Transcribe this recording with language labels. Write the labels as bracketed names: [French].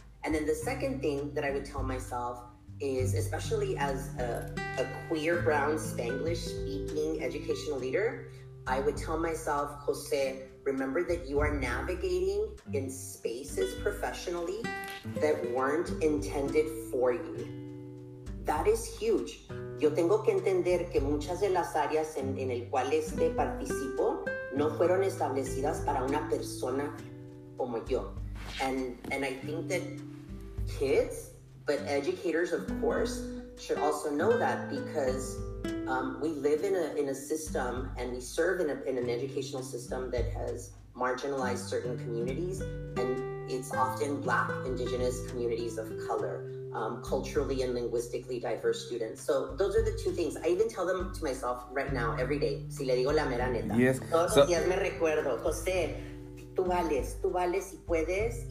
[English] And then the second thing that I would tell myself is, especially as a queer brown Spanglish speaking educational leader, I would tell myself, Jose, remember that you are navigating in spaces professionally that weren't intended for you. That is huge. [Spanish] Yo tengo que entender que muchas de las áreas en el cual participo no fueron establecidas para una persona como yo. [English] And I think that kids, but educators, of course, should also know that because we live in a system and we serve in an educational system that has marginalized certain communities, and it's often Black, Indigenous communities of color, culturally and linguistically diverse students. So those are the two things. I even tell them to myself right now, every day. [Spanish] Si le digo la mera neta. [English] Yes. [Spanish] Todos los días me recuerdo, José, tú vales y puedes.